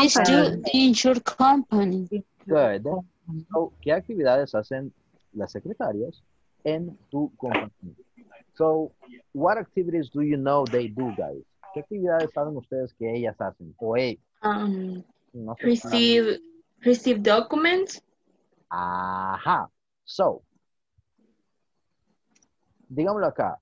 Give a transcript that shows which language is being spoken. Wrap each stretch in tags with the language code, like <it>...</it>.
<en>What activities do secretaries do in your company? Good.</en> <es>So, ¿qué actividades hacen las secretarias en tu compañía?</es> <en>So, what activities do you know they do, guys?</en> <es>¿Qué actividades saben ustedes que ellas hacen? O ellas. No sé,</es> <en>receive documents.</en> <es>Ajá. So, digámoslo acá.</es>